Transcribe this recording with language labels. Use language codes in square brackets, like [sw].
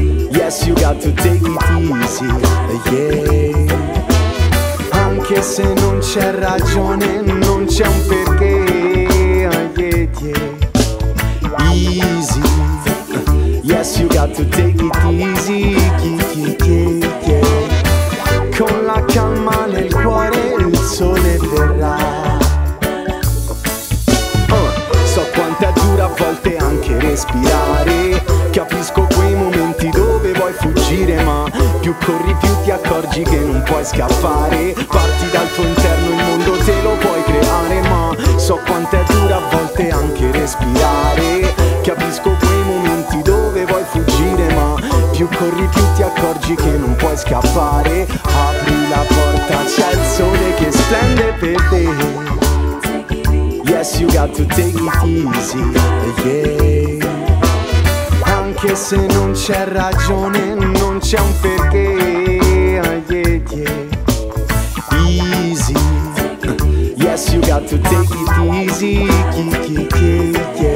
[en] Yes, you got to take it easy, yeah. [it] Anche se non c'è ragione, non c'è un perché, yeah, yeah. [en] Easy, yes, you got to take it easy, yeah, yeah, yeah, yeah. [it] Con la calma nel cuore il sole verrà. So quanto è dura a volte anche respirare, capisco quei momenti dove vuoi fuggire, ma più corri più ti accorgi che non puoi scappare, parti dal tuo interno, il mondo te lo puoi creare, ma so quanto è dura a volte anche respirare, capisco quei momenti dove vuoi fuggire, ma più corri più ti accorgi che non puoi scappare, apri la porta, c'è il sole che splende per te. [en] Yes, you got to take it easy, yeah. [it] Anche se non c'è ragione, non c'è un perché, yeah, yeah. [en] Easy, yes, you got to take it easy, yeah, yeah, yeah.